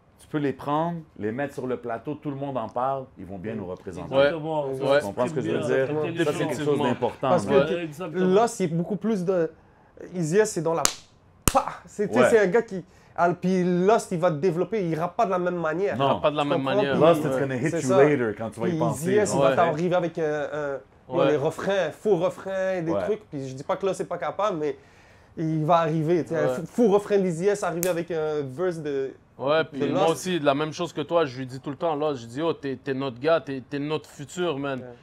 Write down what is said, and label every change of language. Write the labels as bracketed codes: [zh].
[fr] Tu peux les prendre, les mettre sur le plateau, tout le monde en parle, ils vont bien nous représenter. Ouais. Tu comprends ce que je veux dire? Ça, c'est quelque chose d'important. Parce que là, c'est beaucoup plus de... Easy-S, c'est dans la... C'est un gars qui... Puis Lost, il va te développer, il ne rappe pas de la même manière. Non, pas de la même manière. [en] Lost, it's going to hit you later [fr] quand tu vas y penser. Easy-S, il va t'arriver avec les refrains, faux refrains, des trucs. Puis je ne dis pas que Lost n'est pas capable, mais il va arriver. Faux refrain d'Easy-S, arriver avec un verse de... Ouais, puis moi aussi, la même chose que toi, je lui dis tout le temps, là, je dis, oh, t'es notre gars, t'es notre futur, man.